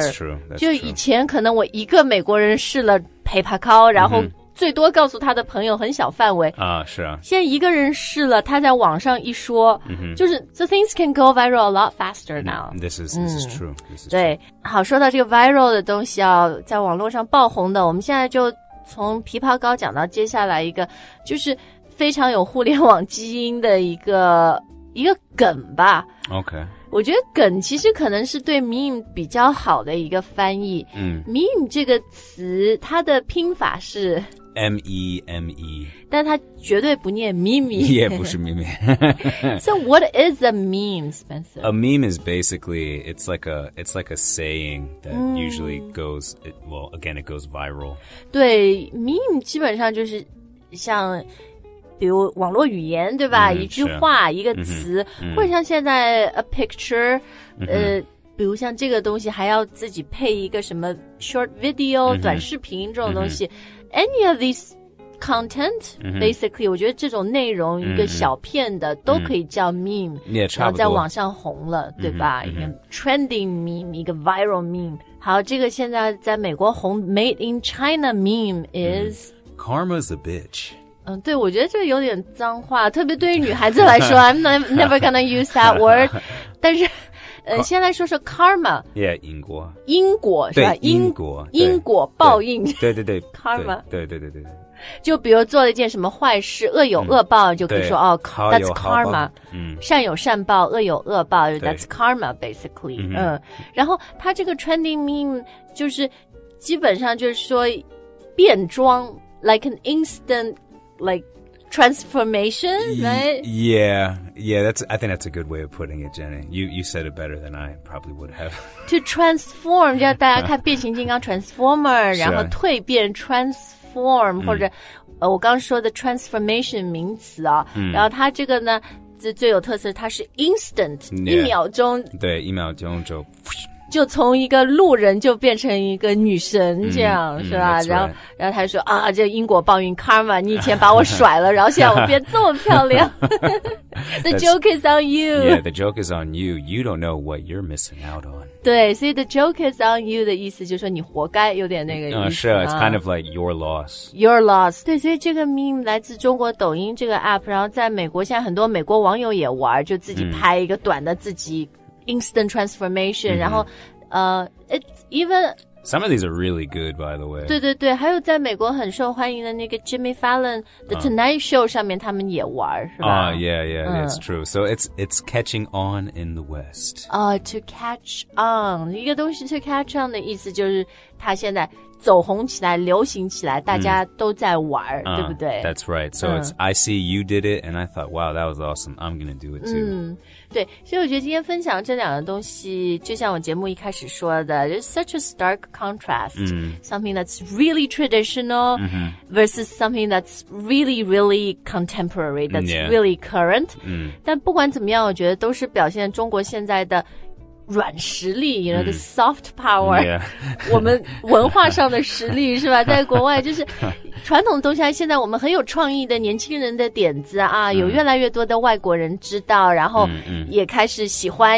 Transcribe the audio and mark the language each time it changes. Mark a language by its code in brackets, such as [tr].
[en] That's true. [zh] 就以前可能我一个美国人试了枇杷膏，然后最多告诉他的朋友很小范围啊，是啊。现在一个人试了，他在网上一说，就是 [en] the things can go viral a lot faster now. This is true. This is [zh] 对，好，说到这个 viral 的东西啊，在网络上爆红的，我们现在就从枇杷膏讲到接下来一个，就是非常有互联网基因的一个梗吧。 [en] OK. [zh] 我觉得梗其实可能是对 meme 比较好的一个翻译。 Meme 这个词它的拼法是 [en] M-E-M-E [zh] 但它绝对不念 meme 也不是 meme [en] So what is a meme, Spencer? A meme is basically it's like a saying that usually goes it goes viral [zh] 对 meme 基本上就是像比如网络语言对吧、嗯、一句话一个词、嗯、或者像现在 [en] a picture、 [zh] 比如像这个东西还要自己配一个什么 [en] short video、嗯、 [zh] 短视频这种东西、嗯、 [en] any of these content、嗯、 [zh] basically 我觉得这种内容一个小片的、嗯、都可以叫 meme 也差不多然后在网上红了、嗯、对吧、嗯、一个 trending meme 一个 viral meme 好这个现在在美国红 [en] made in China meme is、嗯、karma's a bitch [zh] 嗯，对，我觉得这有点脏话，特别对于女孩子来说， [en] I'm never gonna use that word 。 [zh] 但是，先来说说 karma。 Yeah， 因果。因果是吧？对，因果。因果报应。对对对。对 [en] karma [zh] 对。对对对对对。就比如做了一件什么坏事，恶有恶报，嗯、就可以说哦 ， [en] that's karma。嗯。 [zh] 善有善报，恶有恶报 ， [en] that's karma basically 嗯。嗯。 [zh] 然后他这个 trending meme 就是基本上就是说变装 ， [en] like an instant。 Like transformation, right? Yeah, that's, I think that's a good way of putting it, Jenny. You said it better than I probably would have. To transform, [zh] 就大家看变形金刚 Transformer, 然后蜕变 Transform, 或者、嗯、我刚说的 transformation 名词啊、嗯、然后它这个呢这最有特色它是 instant, [en] yeah, [zh] 一秒钟。对一秒钟就就从一个路人就变成一个女神这样、嗯、是吧、嗯、然后、 [en] right. [zh] 然后他说啊这因果报应 karma 你以前把我甩了然后现在我变这么漂亮 [en] The joke is on you Yeah, the joke is on you You don't know what you're missing out on [zh] 对所以 [en] the joke is on you [zh] 的意思就是说你活该有点那个意思、 [en] 是 it's kind of like your loss Your loss [zh] 对所以这个 meme 来自中国抖音这个 app 然后在美国现在很多美国网友也玩就自己拍一个短的自己、嗯 [en] Instant transformation,、mm-hmm. 然后it's even... Some of these are really good, by the way. [zh] 对对对,还有在美国很受欢迎的那个 Jimmy Fallon, the Tonight Show 上面他们也玩,是吧? [en] Yeah, it's true. So it's catching on in the West. To catch on, [zh] 一个东西 to catch on 的意思就是它现在走红起来,流行起来,大家都在玩,对不对? [en] That's right. So it's, I see you did it, and I thought, wow, that was awesome. I'm going to do it too.、 [zh] 对所以我觉得今天分享这两个东西就像我节目一开始说的 [en] It's such a stark contrast、 mm-hmm. Something that's really traditional、 mm-hmm. Versus something that's really really contemporary That's、 yeah. really current、 mm-hmm. [zh] 但不管怎么样我觉得都是表现中国现在的软实力 [en] You know, the soft power、 yeah. [zh] 我们文化上的实力是吧在国外就是传统的东西现在我们很有创意的年轻人的点子啊、嗯、有越来越多的外国人知道然后也开始喜欢、